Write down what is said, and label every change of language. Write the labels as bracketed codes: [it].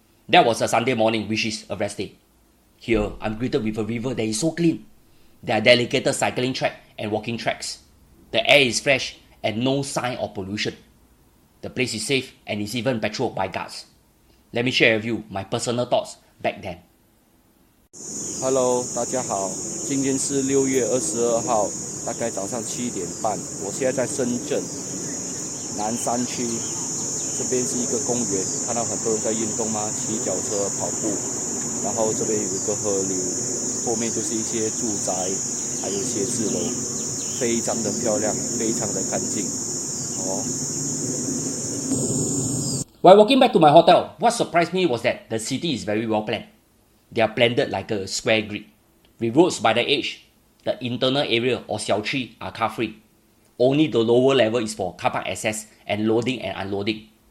[en] That was a Sunday morning, which is a rest day. Here, I'm greeted with a river that is so clean. There are dedicated cycling track and walking tracks. The air is fresh and no sign of pollution. The place is safe and is even patrolled by guards. Let me share with you my personal thoughts back then. Hello, [zh] 大家好。今天是6月22号，大概早上7点半。我现在在深圳南山区，这边是一个公园，看到很多人在运动吗？骑脚车、跑步，然后这边有一个河流，后面就是一些住宅，还有写字楼，非常的漂亮，非常的干净。 [en] While walking back to my hotel, what surprised me was that the city is very well planned. They are planned like a square grid. With roads by the edge, the internal area or 小区 are car free. Only the lower level is for car park access and loading and unloading.